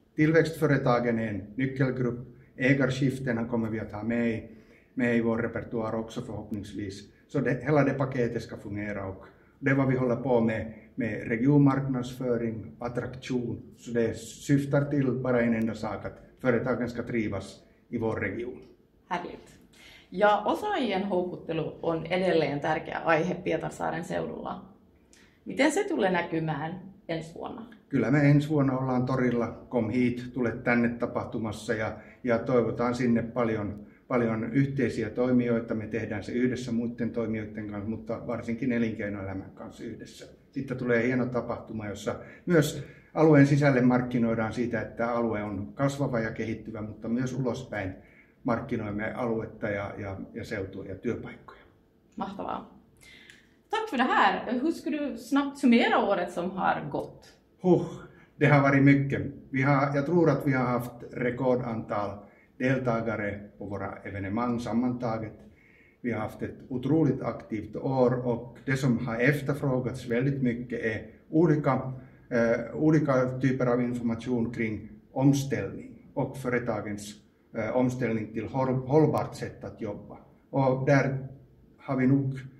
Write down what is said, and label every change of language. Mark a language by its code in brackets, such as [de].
[sv] Tillväxtföretagen är en nyckelgrupp. Ägarskiften kommer vi att ha med i vår repertoar också förhoppningsvis. Så hela det paketet ska fungera och det är vad vi håller på med regionmarknadsföring, attraktion, så det syftar till bara en enda sak att företagen ska trivas i vår region. Härligt. [fi] Ja, osaajien houkuttelu on edelleen tärkeä aihe Pietarsaaren seudulla. Miten se tulee näkymään ensi vuonna? Kyllä me ensi vuonna ollaan torilla Com Heat, tule tänne tapahtumassa ja toivotaan sinne paljon yhteisiä toimijoita. Me tehdään se yhdessä muiden toimijoiden kanssa, mutta varsinkin elinkeinoelämän kanssa yhdessä. Sitten tulee hieno tapahtuma, jossa myös alueen sisälle markkinoidaan siitä, että alue on kasvava ja kehittyvä, mutta myös ulospäin markkinoimme aluetta ja seutua ja työpaikkoja. Mahtavaa. [sv] Tack för det här. Hur skulle du snabbt summera året som har gått? Det har varit mycket. Jag tror att vi har haft rekordantal deltagare på våra evenemang sammantaget. Vi har haft ett otroligt aktivt år och det som har efterfrågats väldigt mycket är olika typer av information kring omställning och företagens omställning till hållbart sätt att jobba. Och där har vi nog